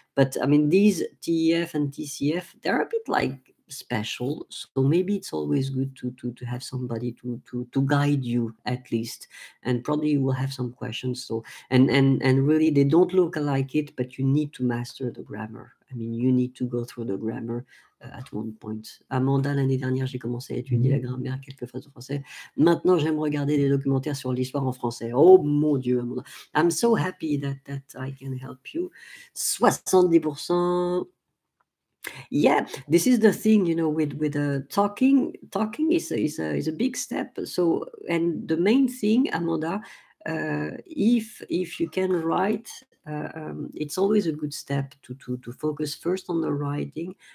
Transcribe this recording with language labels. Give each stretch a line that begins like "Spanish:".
English: But I mean, these TEF and TCF, they're a bit like special, so maybe it's always good to have somebody to guide you at least, and probably you will have some questions. So and really they don't look like it, but you need to master the grammar. I mean, you need to go through the grammar at one point.
French: Amanda, l'année dernière j'ai commencé à étudier la grammaire quelques phrases en français. Maintenant j'aime regarder des documentaires sur l'histoire en français. Oh mon Dieu, Amanda.
English: I'm so happy that I can help you. 70%. Yeah, this is the thing, you know, with talking is a big step. So, and the main thing, Amanda, if you can write, it's always a good step to focus first on the writing.